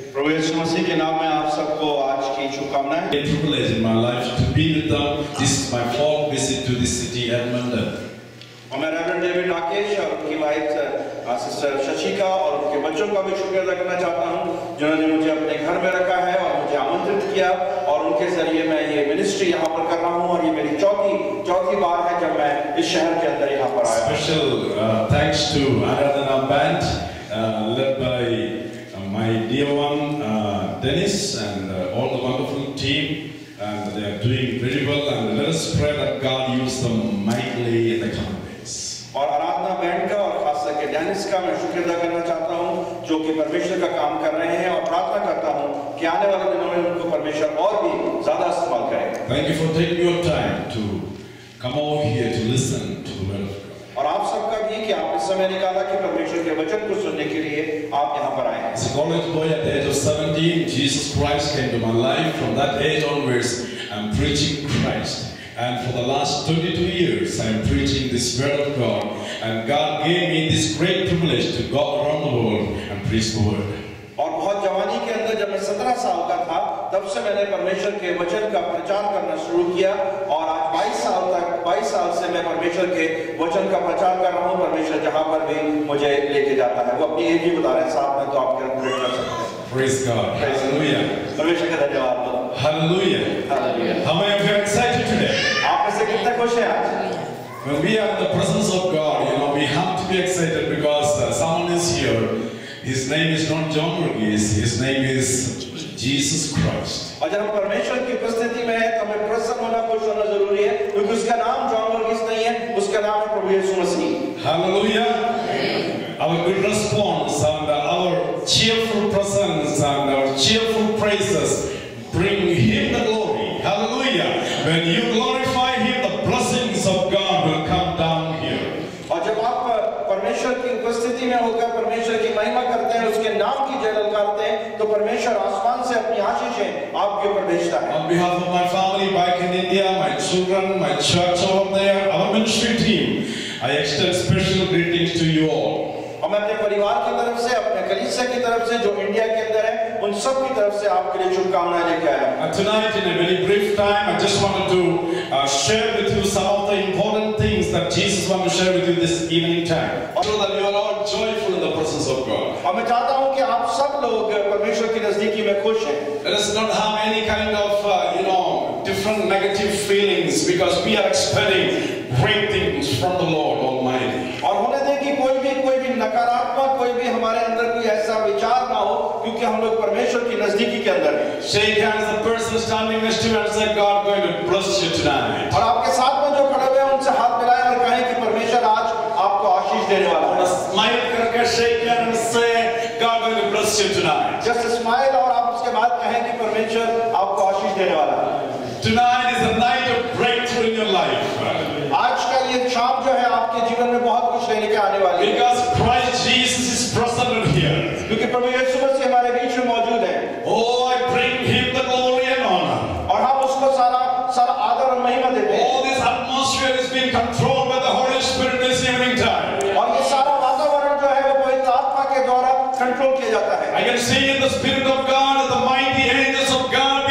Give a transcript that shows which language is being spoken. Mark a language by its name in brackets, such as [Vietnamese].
[Hindi] प्रभु यीशु मसीह के नाम में आप सबको आज की शुभकामनाएं. [English] It's a privilege in my life to be with them. This is my fourth visit to this city, Edmund. [Hindi] हमें रेवरेंड डेविड राकेश और उनकी वाइफ सिस्टर शशिका और उनके बच्चों का भी शुक्रिया करना चाहता हूं जिन्होंने मुझे अपने घर में रखा है और मुझे आमंत्रित किया और उनके जरिए मैं ये मिनिस्ट्री यहां पर कर रहा हूं और ये मेरी चौथी बार है जब मैं इस शहर के अंदर यहां पर आया. [English] Special thanks to Aradhana band led by my dear one Dennis and all the wonderful team. And they are doing very well. And let us pray that God use them mightily in the coming days. [Hindi] और आराधना band का और खास करके Dennis का मैं शुक्रिया करना चाहता हूँ जो कि परमेश्वर का काम कर रहे हैं और प्रार्थना करता हूँ कि आने वाले दिनों में उनको परमेश्वर और भी ज़्यादा इस्तेमाल करे. [English] Thank you for taking your time to come over here to listen to the word. [Hindi] और आप सबका भी कि आप इस समय निकाला कि परमेश्वर के वचन को सुनने के लिए आप यहाँ पर आए. [English] As a college boy at the age of 17, Jesus Christ came to my life. From that age onwards, I'm preaching Christ. And for the last 22 years, I'm preaching this word of God. And God gave me this great privilege to go around the world and preach the word. [Hindi] और बहुत जवानी के अंदर जब मैं 17 साल का था तब से मैंने परमेश्वर के वचन का प्रचार करना शुरू किया और आज 22 साल से मैं परमेश्वर के वचन का प्रचार कर रहा हूँ. परमेश्वर जहाँ पर भी मुझे लेके जाता है वो अपनी एज भी बता रहे हैं साथ में तो आप क्या प्रेरित कर सकते हैं. [English] Praise God. Hallelujah. [Hindi] परमेश्वर का धन्यवाद. [English] Hallelujah. Hallelujah. How many of you are excited today? [Hindi] आप इसे कितने खुश हैं आज? [English] When we are in the presence of God, you know, we have to be excited because someone is here. His name is not John Ruggies, his name is Jesus Christ. [Hindi] और जब हम परमेश्वर की उपस्थिति में हैं, तो हमें प्रसन्न होना खुश होना जरूरी है क्योंकि उसका नाम जॉन वर्गीस नहीं है उसका नाम है प्रभु यीशु मसीह. Hallelujah. [English] Our good response and our cheerful presence and our cheerful praises bring him the glory. Hallelujah. When you glorify him, the blessings of God will come down here. [Hindi] और जब आप परमेश्वर की उपस्थिति में होकर परमेश्वर की महिमा करते हैं उसके नाम की जय ललकारते हैं तो परमेश्वर आसमान से अपनी आशीषें आपके ऊपर भेजता है. [English] On behalf of my family back in India, my children, my church over there, our ministry team, I extend special greetings to you all. [Hindi] और मैं अपने परिवार की तरफ से अपने कलीसिया की तरफ से जो इंडिया के अंदर है उन सब की तरफ से आपके लिए शुभकामनाएं लेकर आया हूं। [English] Tonight in a very brief time, I just wanted to share with you some of the important things that Jesus wants to share with you this evening time. So that you are all joyful in the presence of God. [Hindi] और मैं चाहता हूं कि आप सब लोग परमेश्वर की नजदीकी में खुश हैं। [English] Let us not have any kind of different negative feelings because we are expecting great things from the Lord Almighty. [Hindi] और होने दें कि कोई भी नकारात्मक कोई भी हमारे अंदर कोई ऐसा विचार ना हो क्योंकि हम लोग परमेश्वर की नजदीकी के अंदर हैं। [English] Shake hands the person standing next to you and say God going to bless you tonight. [Hindi] और आपके साथ में जो खड़े हुए हैं उनसे हाथ मिलाएं और कहें कि परमेश्वर आज आपको आशीष देने वाला है। [English] Smile [Hindi] करके [English] shake hands and say God going to bless you tonight. Just smile [Hindi] और आप उसके बाद कहें कि परमेश्वर आपको आशीष देने वाला है। [English] Tonight is a night of breakthrough in your life. [Hindi] आज का ये शाम जो है आपके जीवन में बहुत कुछ लेने के आने वाली है। [English] Because Christ Jesus is present here. [Hindi] क्योंकि प्रभु यीशु मसीह हमारे बीच में मौजूद है। [English] Oh, I bring him the glory and honor. [Hindi] और हम उसको सारा आदर और महिमा देते हैं। [English] All this atmosphere is being controlled by the Holy Spirit this evening time. [Hindi] और ये सारा वातावरण जो है वो पवित्र आत्मा के द्वारा कंट्रोल किया जाता है। [English] I can see in the spirit of God the mighty angels of God.